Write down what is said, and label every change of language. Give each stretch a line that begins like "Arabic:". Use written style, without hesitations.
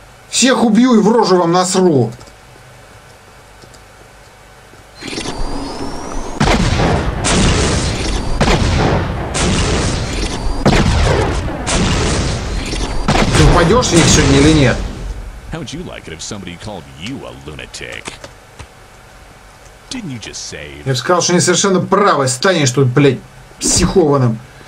Russian: Всех убью и в рожу вам насру. Пойдешь их сегодня или нет?
English: How would you like it if somebody called you a lunatic? Didn't you just say?
Russian: Я бы сказал, что они совершенно правы, станешь тут, блядь, психованным.